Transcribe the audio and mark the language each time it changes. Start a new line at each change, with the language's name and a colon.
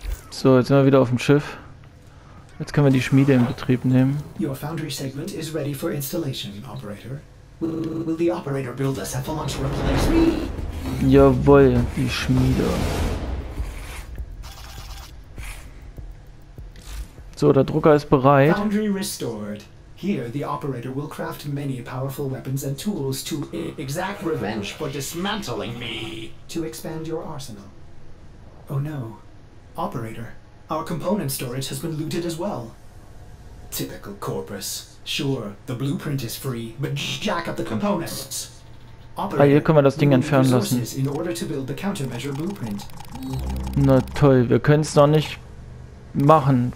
German: So, jetzt sind wir wieder auf dem Schiff. Jetzt können wir die Schmiede in Betrieb nehmen.
English: Your foundry segment is ready for installation, operator. Will the operator build a Cephalon to replace me?
German: Jawohl, die Schmiede. So, der Drucker ist bereit.
English: Foundry restored. Here the operator will craft many powerful weapons and tools to exact revenge for dismantling me. To expand your arsenal. Oh no. Operator, our component storage has been looted as well. Typical Corpus. Sure, the blueprint is free, but jack up the components.
German: Operator, ah, hier können wir das Ding entfernen lassen.
English: In order to build the countermeasure blueprint.
German: Na toll, wir können es noch nicht machen.